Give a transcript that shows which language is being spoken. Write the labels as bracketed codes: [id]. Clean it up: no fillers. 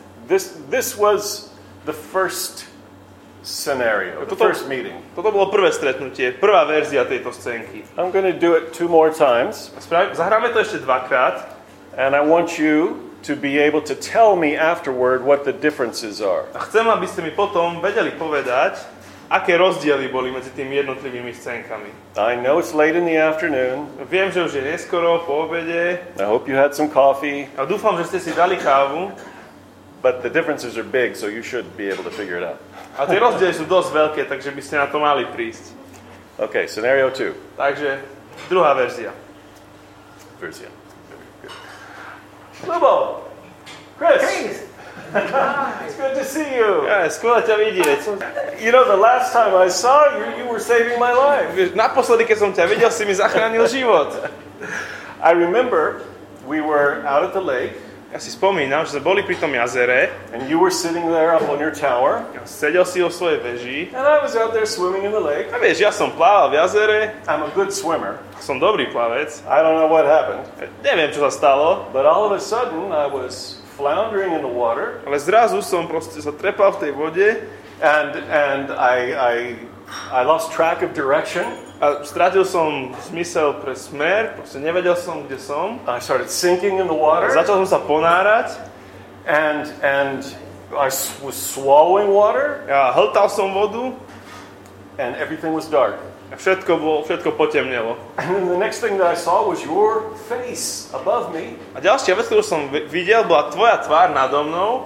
[en] This was the first scenario, the first meeting. [sk] Toto bolo prvé stretnutie, prvá verzia tejto scénky. [en] I'm going to do it 2 more times. [sk] Zahráme to ešte 2 krát. [en] And I want you to be able to tell me afterward what the differences are. [sk] A chcem, aby ste mi potom vedeli povedať, aké rozdiely boli medzi tými jednotlivými scénkami. [en] I know it's late in the afternoon. [sk] Viem, že už je neskoro, po obede. [en] I hope you had some coffee. [sk] A dúfam, že ste si dali kávu. [en] But the differences are big, so you should be able to figure it out. [sk] A tie rozdiely sú dosť veľké, takže by ste na to mali prísť. [en] Okay, scenario 2. [sk] Takže druhá verzia. Verzia. Lubo! Chris! Chris! [en] It's good to see you. [cs] Yeah, skvěle tě vidět. [en] You know, the last time I saw you, you were saving my life. [cs] Naposledy, když jsem tě viděl, jsi mi zachránil život. [en] I remember we were out at the lake. [cs] Já si vzpomínám, že jsme byli při tom jazere. [en] And you were sitting there up on your tower. [cs] Seděl jsi o své věži. [en] And I was out there swimming in the lake. [cs] A víš, já jsem plaval v jazere. [en] I'm a good swimmer. [cs] Jsem dobrý plavec. [en] I don't know what happened. [cs] Nevím, co se stalo. [en] But all of a sudden, I was floundering in the water. [sk] Ale zrazu som proste sa trepal v tej vode. [en] And I lost track of direction. [sk] A stratil som zmysel pre smer, proste nevedel som, kde som. [en] I started sinking in the water. [sk] A začal som sa ponárať. [en] And I was swallowing water. [sk] A hltal som vodu. [en] And everything was dark. [sk] A všetko potemnelo. [en] And the next thing that I saw was your face above me. [sk] A ďalšia vec, ktorú som videl, bola tvoja tvár nado mnou.